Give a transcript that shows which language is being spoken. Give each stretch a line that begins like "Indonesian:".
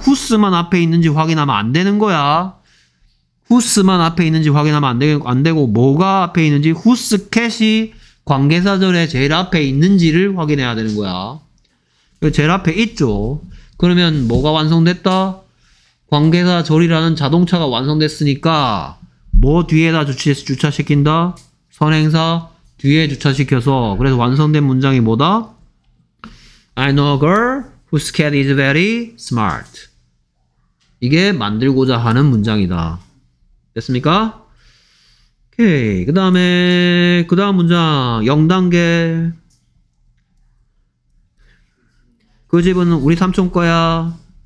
Korean: whose만 앞에 있는지 확인하면 안 되는 거야. whose만 앞에 있는지 확인하면 안 되고 뭐가 앞에 있는지 whose cat이 관계사절에 제일 앞에 있는지를 확인해야 되는 거야. 제일 앞에 있죠. 그러면 뭐가 완성됐다? 관계사절이라는 자동차가 완성됐으니까 뭐 뒤에다 주차시킨다? 선행사 뒤에 주차시켜서 그래서 완성된 문장이 뭐다?
English: I know a girl whose cat is very smart.
Korean: 이게 만들고자 하는 문장이다. 됐습니까? 오케이. 그 다음 문장 0단계. 그 집은 우리 삼촌 거야.